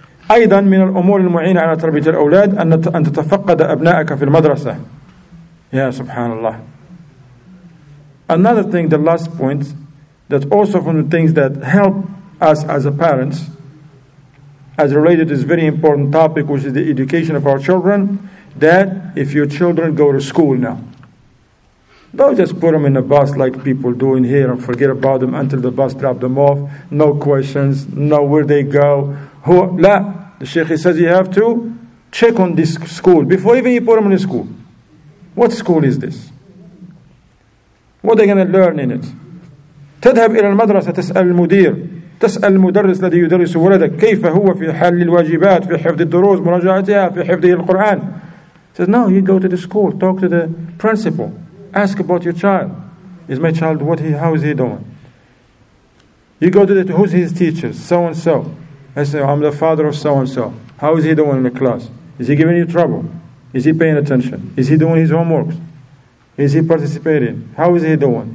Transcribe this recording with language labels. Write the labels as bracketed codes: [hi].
[ar] أيضا من الأمور المعينة على تربية الأولاد أن تتفقد أبنائك في المدرسة. يا سبحان الله. [en] Another thing, the last point, that also from the things that help us as a parents, as related to this very important topic, which is the education of our children, that if your children go to school now, don't just put them in a bus like people do in here and forget about them until the bus drops them off. No questions, no where they go. Who? La. The Sheikh, he says you have to check on this school before even you put them in the school. What school is this? What are they going to learn in it? [ar] تذهب إلى المدرسة تسأل المدير تسأل المدرس الذي يدرس ولدك كيف هو في حل الواجبات في حفظ الدروس مراجعتها في حفظ القرآن. [en] Says, no, you go to the school, talk to the principal, ask about your child. Is my child, what he, how is he doing? You go to the, who's his teacher, so-and-so. I say, I'm the father of so-and-so. How is he doing in the class? Is he giving you trouble? Is he paying attention? Is he doing his homeworks? Is he participating? How is he doing?